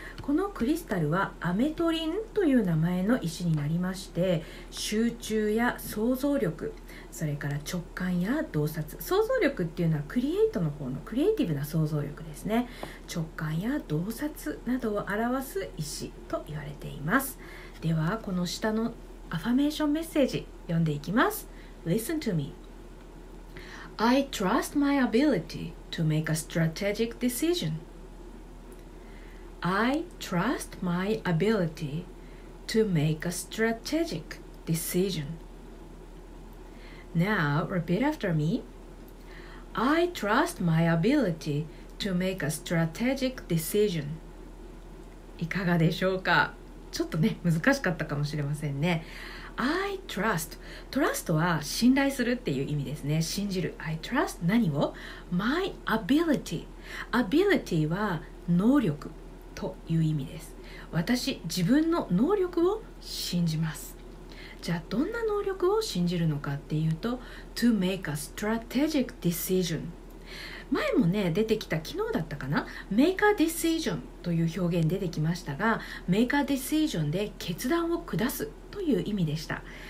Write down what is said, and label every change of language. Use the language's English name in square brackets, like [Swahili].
[Japanese] このクリスタルはアメトリンという名前の石になりまして、集中や想像力、それから直感や洞察、想像力っていうのはクリエイトの方のクリエイティブな想像力ですね、直感や洞察などを表す石と言われています。ではこの下のアファメーションメッセージ読んでいきます。 [English] Listen to me. I trust my ability to make a strategic decision. I trust my ability to make a strategic decision. Now, repeat after me. I trust my ability to make a strategic decision. [Japanese] いかがでしょうか。ちょっとね、難しかったかもしれませんね。 [English] I trust. [Japanese] Trust は信頼するっていう意味ですね。信じる。 [English] I trust [Japanese] 何を [English] ?My ability. [Japanese] Ability は能力という意味です。私、自分の能力を信じます。じゃあ、どんな能力を信じるのかっていうと、 [English] To make a strategic decision. [Japanese] 前もね、出てきた、昨日だったかな ? [English] Make a decision [Japanese] という表現出てきましたが、Make a decision で決断を下す。という意味でした。